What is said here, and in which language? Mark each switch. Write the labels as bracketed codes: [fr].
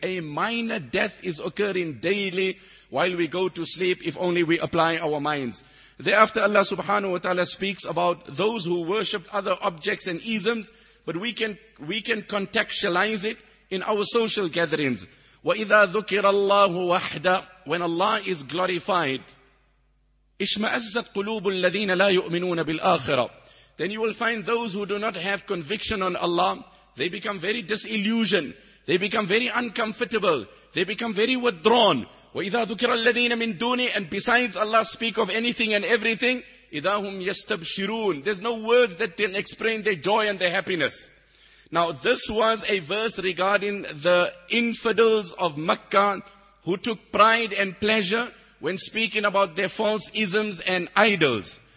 [en] A minor death is occurring daily while we go to sleep, if only we apply our minds. Thereafter, Allah subhanahu wa ta'ala speaks about those who worship other objects and isms, but we can contextualize it in our social gatherings. [ar] وَإِذَا ذُكِرَ اللَّهُ وَحْدَهُ. [en] When Allah is glorified, [ar] اشْمَأَزَّتْ قُلُوبُ الَّذِينَ لَا يُؤْمِنُونَ بِالْآخِرَةِ. [en] Then you will find those who do not have conviction on Allah, they become very disillusioned. They become very uncomfortable. They become very withdrawn. [ar] وَإِذَا ذُكِرَ الَّذِينَ مِن دُونِ. [en] And besides Allah speak of anything and everything, [ar] إِذَا هُمْ يَسْتَبْشِرُونَ. [en] There's no words that can explain their joy and their happiness. Now this was a verse regarding the infidels of Makkah who took pride and pleasure when speaking about their false isms and idols.